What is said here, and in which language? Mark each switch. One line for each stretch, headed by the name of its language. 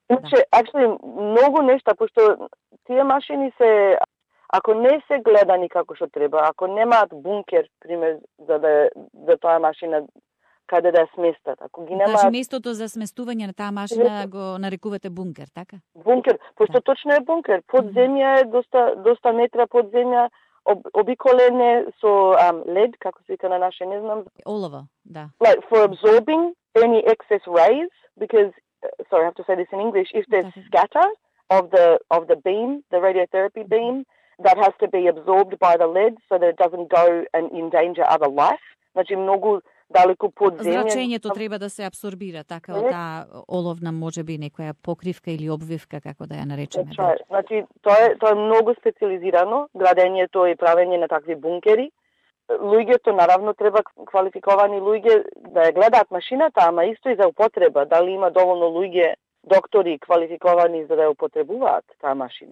Macedonian: Значи, actually, многу нешта, пошто тие машини се, ако не се гледани како што треба, ако немаат бункер, пример, за тоа машина, каде да ја сместат. Ако ги немаат... Значи, местото за сместување на таа машина го нарекувате бункер, така? Бункер, пошто да. Точно е бункер. Подземја е доста метра подземја, обиколене со лед, како се вика на наше, не знам. Олово, да.
English: Like, for absorbing any excess rays, because, sorry, I have to say this in English, if there's scatter of the beam, the radiotherapy beam, that has to be absorbed by the lead so that it doesn't go and endanger other life.
Macedonian: Значи, многу... далеку подземје. Зрачењето треба да се абсорбира, така од таа оловна може би некоја покривка или обвивка, како да ја наречеме. Да. Значи, тоа е многу специализирано, градењето и правење на такви бункери. Луѓето, наравно, треба квалификовани луѓе да ја гледаат машината, ама исто и за употреба, дали има доволно луѓе, доктори квалификовани за да ја употребуваат таа машина.